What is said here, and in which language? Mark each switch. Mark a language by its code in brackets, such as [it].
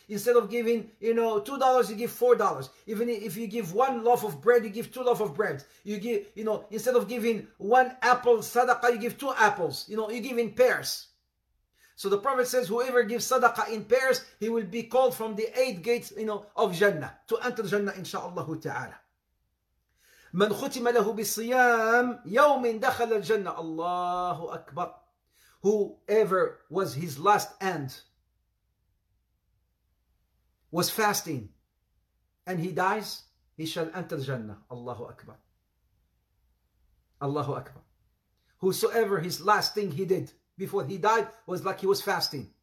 [en] Instead of giving, you know, $2, you give $4. Even if you give 1 loaf of bread, you give 2 loaf of bread. You give, you know, instead of giving 1 apple sadaqah, you give 2 apples. You know, you give in pairs. So the Prophet says, whoever gives sadaqah in pairs, he will be called from the 8 gates, you know, of Jannah, to enter Jannah, insha'Allah ta'ala. [ar] من ختم له بالصيام يوم دخل الجنة. الله أكبر. [en] Whoever was his last end was fasting and he dies, he shall enter Jannah. Allahu Akbar. Allahu Akbar. Whosoever his last thing he did before he died was like he was fasting.